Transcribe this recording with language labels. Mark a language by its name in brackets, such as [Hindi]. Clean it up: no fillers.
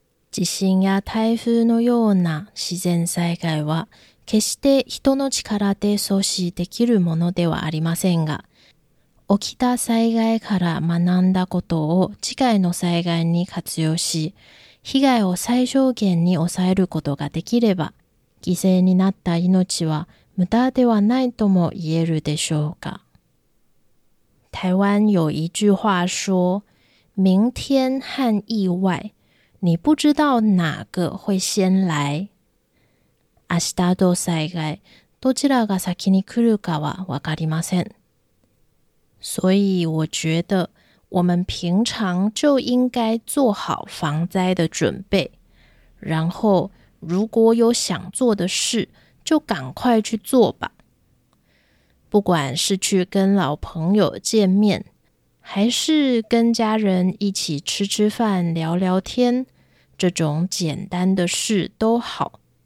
[Japanese] 地震や台風のような自然災害は、決して人の力で阻止できるものではありませんが、起きた災害から学んだことを次回の災害に活用し、被害を最小限に抑えることができれば、犠牲になった命は無駄ではないとも言えるでしょうか。 [Chinese] 台湾有一句話说、明天和意外、你不知道哪个会先来。 [Japanese] 明日と災害、どちらが先に来るかはわかりません。 [Chinese] 所以我觉得我们平常就应该做好防灾的准备，然后如果有想做的事，就赶快去做吧。不管是去跟老朋友见面，还是跟家人一起吃吃饭、聊聊天，这种简单的事都好。